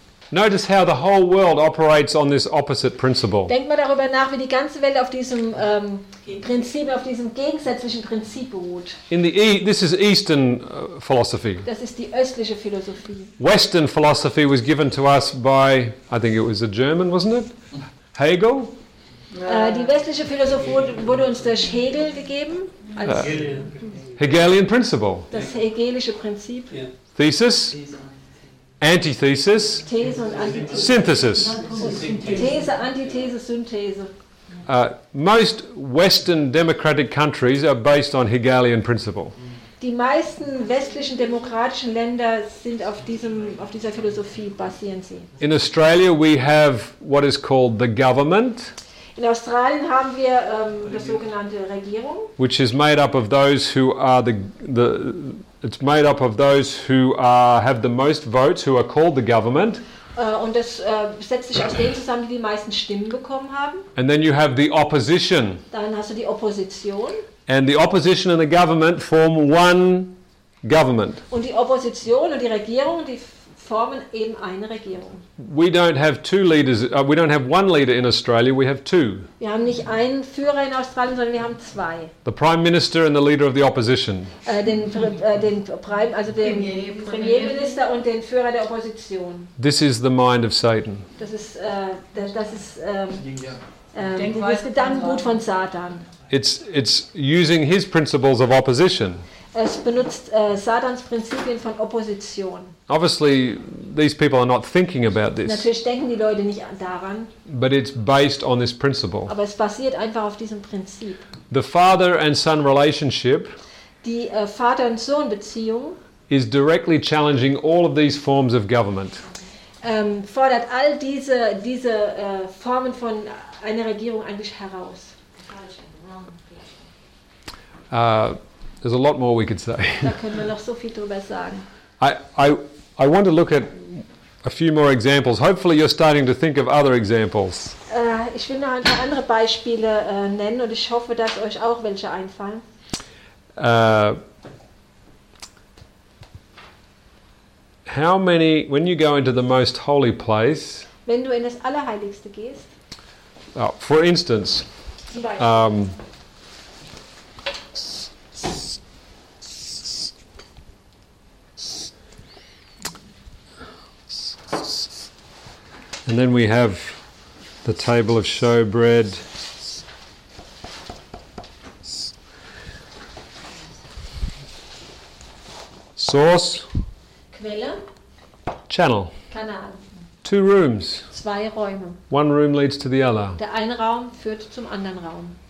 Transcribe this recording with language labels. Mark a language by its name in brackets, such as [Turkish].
[English] Notice how the whole world operates on this opposite principle. [German] Denk mal darüber nach, wie die ganze Welt auf diesem Prinzip, auf diesem gegensätzlichen Prinzip beruht. [English] In the this is Eastern philosophy. [German] Das ist die östliche Philosophie. [English] Western philosophy was given to us by, I think it was a German, wasn't it? Hegel. [German] Die westliche Philosophie wurde uns durch Hegel gegeben. [English] Hegelian principle. [German] Das hegelische Prinzip. [English] Yeah. Thesis. Antithesis, [German] These und [English] synthesis. [German] These, antithesis, synthese. [English] Most Western democratic countries are based on Hegelian principle. [German] Die meisten westlichen demokratischen Länder sind auf diesem, auf dieser Philosophie basieren sie. [English] In Australia we have what is called the government. [German] In Australien haben wir die sogenannte Regierung. [English] Which is made up of those who are the It's made up of those who have the most votes, who are called the government. [German] Und das setzt sich aus denen zusammen, die die meisten Stimmen bekommen haben. [English] And then you have the opposition. [German] Dann hast du die Opposition. [English] And the opposition and the government form one government. [German] Und die Opposition und die Regierung, die formen eben eine Regierung. [English] We don't have two leaders. We don't have one leader in Australia. We have two. [German] Wir haben nicht einen Führer in Australien, sondern wir haben zwei. [English] The Prime Minister and the leader of the opposition. [German] Den Premierminister und den Führer der Opposition. [English] This is the mind of Satan. [German] Das ist das Gedankengut von Satan. [English] It's using his principles of opposition. [German] Es benutzt Satans Prinzipien von Opposition. [English] Obviously, these people are not thinking about this. [German] Natürlich denken die Leute nicht daran. [English] But it's based on this principle. [German] Aber es basiert einfach auf diesem Prinzip. [English] The father and son relationship. [German] Die Vater und Sohn Beziehung. [English] Is directly challenging all of these forms of government. [German] Fordert all diese Formen von einer Regierung eigentlich heraus. [English] There's a lot more we could say. [German] Da können wir noch so viel drüber sagen. [English] I want to look at a few more examples. Hopefully you're starting to think of other examples. [German] Ich will noch ein paar andere Beispiele nennen und ich hoffe, dass euch auch welche einfallen. [English] How many, when you go into the most holy place, [German] wenn du in das Allerheiligste gehst, [English] for instance, and then we have the table of showbread. Source. [German] Quelle. [English] Channel. [German] Kanal. [English] Two rooms. [German] Zwei Räume. [English] One room leads to the other. [German] Der eine Raum führt zum anderen Raum.